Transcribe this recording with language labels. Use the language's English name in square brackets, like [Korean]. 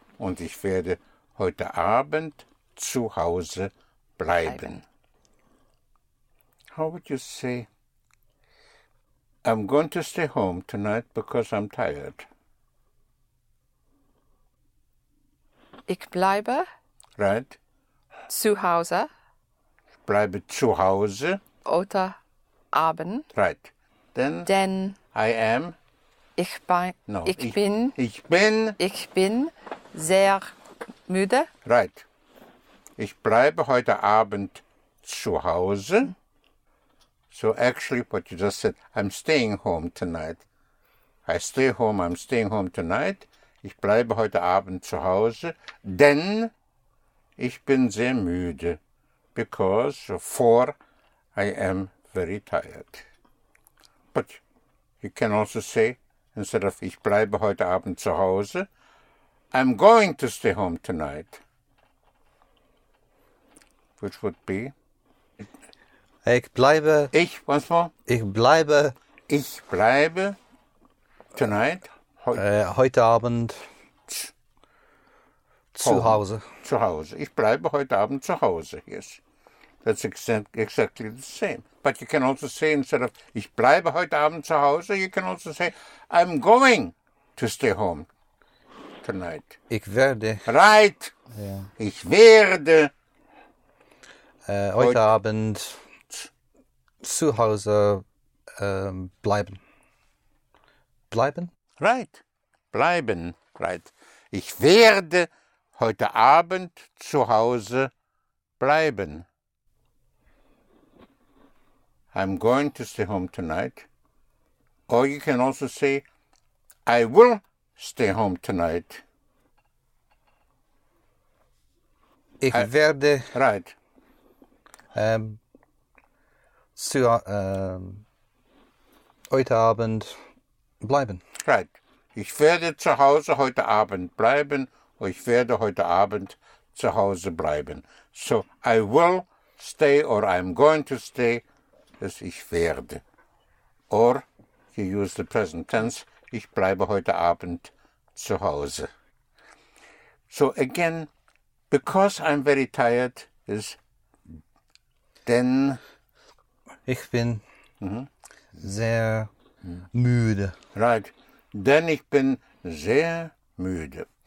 [German] Und ich werde heute Abend zu Hause bleiben. [English] How would you say, I'm going to stay home tonight because I'm tired? [German] Ich bleibe. [English] Right. [German] Zu Hause. Ich bleibe zu Hause. Heute Abend. [English] Right. [German] Denn [English] I am. [German] Ich bin sehr müde. [English] Right. [German] Ich bleibe heute Abend zu Hause. [English] So actually, what you just said, I'm staying home tonight. I stay home. I'm staying home tonight. [German] Ich bleibe heute Abend zu Hause, denn ich bin sehr müde. [English] Because I am very tired. But you can also say, instead of [German] ich bleibe heute Abend zu Hause, [English] I'm going to stay home tonight. which would be? [German] Ich bleibe. [English] Ich, once more. [German] Ich bleibe. Ich bleibe. Tonight. Heute Abend. Zu Hause. Zu Hause. Ich bleibe heute Abend zu Hause. [English] Yes. That's exactly the same. But you can also say, instead of [German] ich bleibe heute Abend zu Hause, [English] you can also say, I'm going to stay home tonight. [German] Ich werde. [English] Right. Yeah. [German] Ich werde. Heute Abend zu Hause bleiben. Bleiben? [English] Right. Bleiben. Right. [German] Ich werde heute Abend zu Hause bleiben. [English] I'm going to stay home tonight. Or you can also say, I will stay home tonight. [German] Ich werde. [English] Right. [German] Heute Abend bleiben. [English] Right. [German] Ich werde zu Hause heute Abend bleiben. Or ich werde heute Abend zu Hause bleiben. [English] So, I will stay or I'm going to stay. [German] Das ich werde. [English] Or, you use the present tense, [German] ich bleibe heute Abend zu Hause. [English] So again, because I'm very tired, is denn... [German] Ich bin sehr müde. Right. Denn ich bin sehr müde.